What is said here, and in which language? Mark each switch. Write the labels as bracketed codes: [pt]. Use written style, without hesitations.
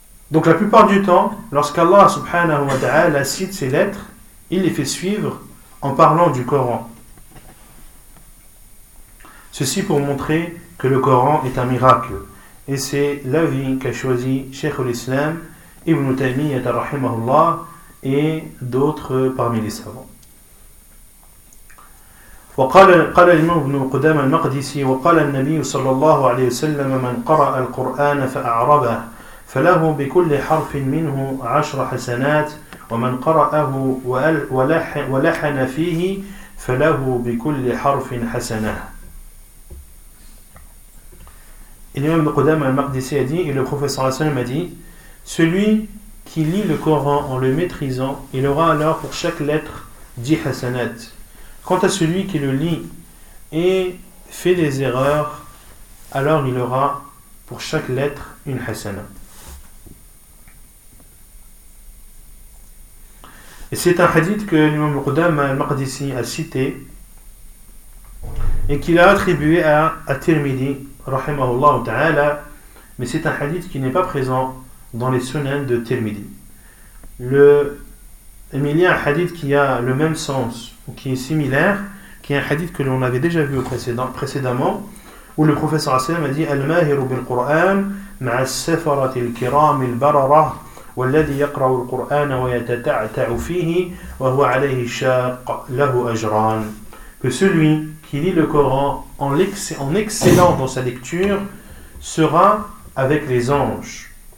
[fr] Donc la plupart du temps, lorsqu'Allah subhanahu wa ta'ala cite ses lettres, il les fait suivre en parlant du Coran. Ceci pour montrer que le Coran est un miracle. Et c'est l'avis qu'a choisi Cheikh al-Islam, Ibn Taymiyyah rahimahullah et d'autres parmi les savants. [ar] وقال الإمام ابن قدامة المقدسي وقال النبي صلى الله عليه وسلم من قرأ القرآن فأعربه فله بكل حرف منه 10 حسنات ومن قرأه ولحن فيه فله بكل حرف حسنة. [fr] الإمام ابن قدامة المقدسي a dit, et le prophète صلى الله عليه وسلم a dit, celui qui lit le Coran en le maîtrisant, il aura alors pour chaque lettre 10 hasanat. Quant à celui qui le lit et fait des erreurs, alors il aura pour chaque lettre une hasana. Et c'est un hadith que l'imam Qudama al-Maqdisi a cité et qu'il a attribué à At-Tirmidhi, rahimahullah ta'ala, mais c'est un hadith qui n'est pas présent dans les sunan de Tirmidhi. Il y a un hadith qui a le même sens, ou qui est similaire, qui est un hadith que l'on avait déjà vu précédemment, où le professeur a dit « [ar] Al-Mahiru bil-Qur'an ma'as-safarati al-kiram al-barara والذي يقرأ القرآن ويتتعتع فيه وهو عليه شاق له أجران. [fr] Que celui qui lit le Coran en excellant dans sa lecture sera avec les anges.